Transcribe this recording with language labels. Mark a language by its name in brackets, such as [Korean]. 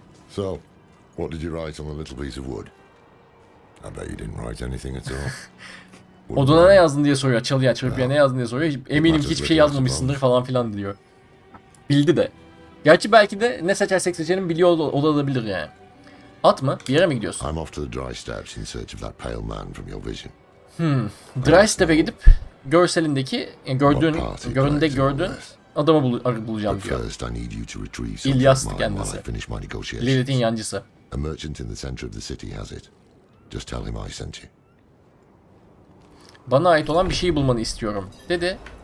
[English] So, what did you write on the little piece of wood? I bet you didn't write anything at all. [Turkish] Oduna ne yazdın diye soruyor. Çalıya çırpıya ne yazdın diye soruyor. Eminim ki hiçbir şey yazmamışsındır falan filan diyor. Bildi de. Gerçi belki de ne seçersek seçelim biliyor olabilir yani. At mı? Bir yere mi gidiyorsun? [English] I'm off to the dry steps in search of that pale man from your vision. [Turkish] Dry step'e gidip görselindeki, yani gördüğün, göründe gördüğün adamı bulacağım diyor. İlyas'tı kendisi. Lilith'in yancısı. [English] A merchant in the center of the city has it. Just tell him I sent you. [Turkish] Bana ait olan bir şeyi bulmanı istiyorum dedi.